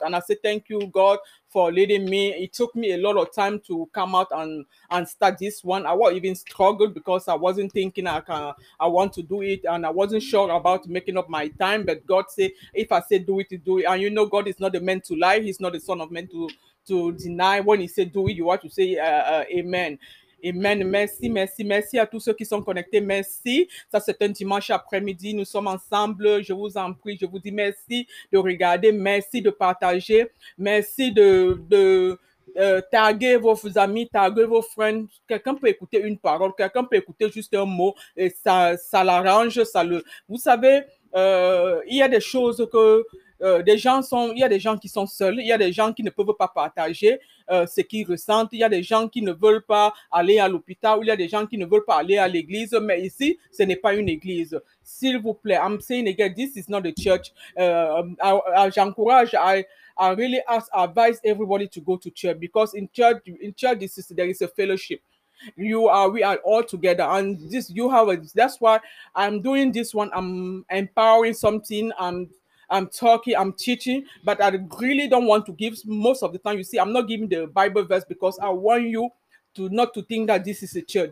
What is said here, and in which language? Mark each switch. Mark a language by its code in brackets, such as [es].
[en] And I say, thank you, God, for leading me. It took me a lot of time to come out and start this one. I was even struggled because I wasn't thinking I want to do it. And I wasn't sure about making up my time. But God said, if I say do it, do it. And you know, God is not the man to lie. He's not the son of man to deny. When he said do it, you want to say amen. Amen. [fr] Merci, merci, merci à tous ceux qui sont connectés. Merci. Ça, c'est un dimanche après-midi. Nous sommes ensemble. Je vous en prie. Je vous dis merci de regarder. Merci de partager. Merci de taguer vos amis, taguer vos friends. Quelqu'un peut écouter une parole. Quelqu'un peut écouter juste un mot et ça l'arrange. Ça le... Vous savez, il y a des choses que... il y a des gens qui sont seuls, il y a des gens qui ne peuvent pas partager ce qu'ils ressentent, il y a des gens qui ne veulent pas aller à l'hôpital, il y a des gens qui ne veulent pas aller à l'église, mais ici, ce n'est pas une église. S'il vous plaît, [en] I'm saying again, this is not a church. [fr] J'encourage, [en] I really ask, advise everybody to go to church, because in church, this is, there is a fellowship. We are all together, and this, you have, that's why I'm doing this one, I'm empowering something, I'm talking, I'm teaching, but I really don't want to give most of the time. You see, I'm not giving the Bible verse because I want you to not to think that this is a church.